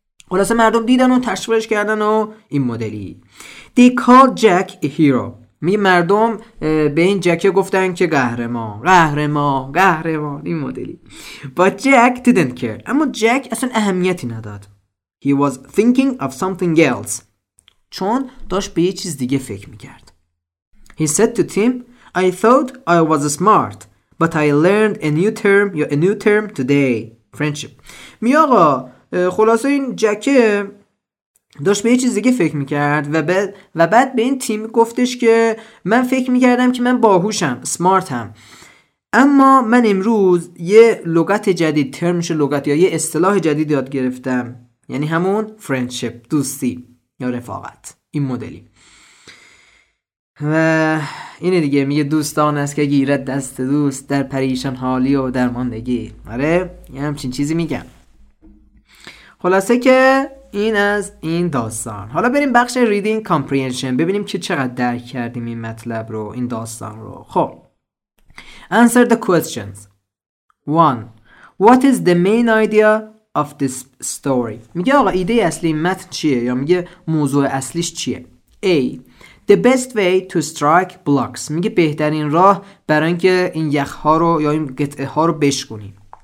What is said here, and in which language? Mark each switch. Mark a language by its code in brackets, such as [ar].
[fa] خلاصه مردم دیدن و تشویقش کردن و این مدلی. [en] they called Jack a hero، [fa] می مردم به این جکه گفتن که قهرمان قهرمان قهرمان، این مدلی. [en] But Jack didn't care، [fa] اما جک اصلا اهمیتی نداد. [en] He was thinking of something else، [fa] چون داشت به یه چیز دیگه فکر میکرد. [en] He said to Tim، I thought I was smart، but I learned a new term، یا a new term today، friendship. [fa] می آقا خلاصه این جکه داشت به یه چیز دیگه فکر میکرد و بعد به این تیم گفتش که من فکر میکردم که من باهوشم، سمارتم، اما من امروز یه لغت جدید، ترم میشه لغت یا یه اصطلاح جدید یاد گرفتم، یعنی همون فرندشپ، دوستی یا رفاقت، این مدلی. و اینه دیگه، میگه دوستان است که گیرد دست دوست در پریشان حالی و درماندگی. آره یه همچین چیزی میگم. خلاصه که این از این داستان. حالا بریم بخش reading comprehension، ببینیم که چقدر درک کردیم این مطلب رو، این داستان رو. [en] خب answer the questions. 1. What is the main idea of this story؟ [fa] میگه آقا ایده اصلی این متن چیه، یا میگه موضوع اصلیش چیه. A. [en] The best way to strike blocks، [fa] میگه بهترین راه برای اینکه این یخها رو یا این قطعه ها رو بشکنیم.